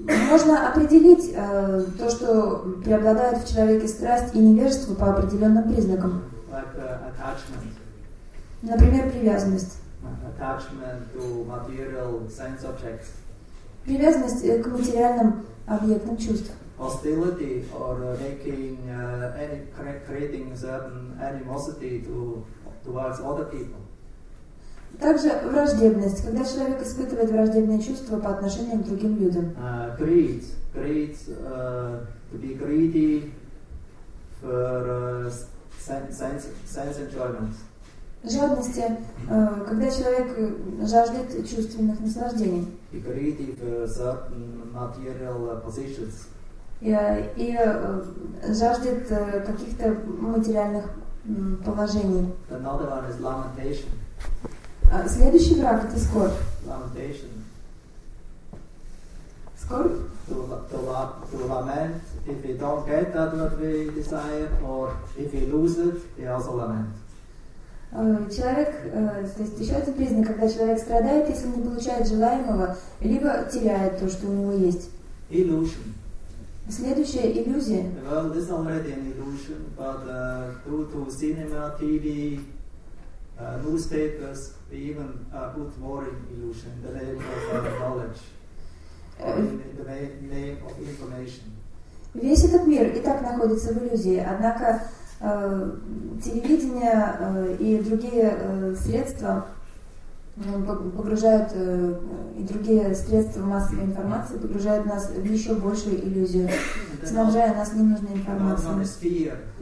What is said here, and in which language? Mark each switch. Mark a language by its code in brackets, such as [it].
[ru] Можно определить то, что преобладает в человеке страсть и невежество по определенным признакам. [en] Like attachment. [ru] Например, привязанность. [en] Attachment to material sense objects. [ru] Привязанность к материальным объектам чувств. [en] Hostility or making any creating certain animosity towards other people. [ru] Также враждебность, когда человек испытывает враждебные чувства по отношению к другим людям. [en] Greed, to be greedy for sense enjoyments. [ru] Жадности, когда человек жаждет чувственных наслаждений. [en] Be greedy for certain material positions. [ru] И жаждет каких-то материальных положений. [en] Another one is lamentation. [ru] Следующий враг — это скорбь. [en] Lamentation. [ru] Скорбь? [en] To lament, if we don't get that what we desire, or if we lose it, we also lament. [ru] Человек, то есть еще один признак, когда человек страдает, если он не получает желаемого, либо теряет то, что у него есть. [en] Illusion. [ru] Следующая — иллюзия. [en] Well, this is already an illusion, but due to cinema, TV, newspapers, we even put more illusion in the name of knowledge, in the name of information. [ru] Весь этот мир и так находится в иллюзии, однако телевидение и другие средства погружают и другие средства массовой информации погружают нас в еще большую иллюзию, снабжая нас ненужной информацией.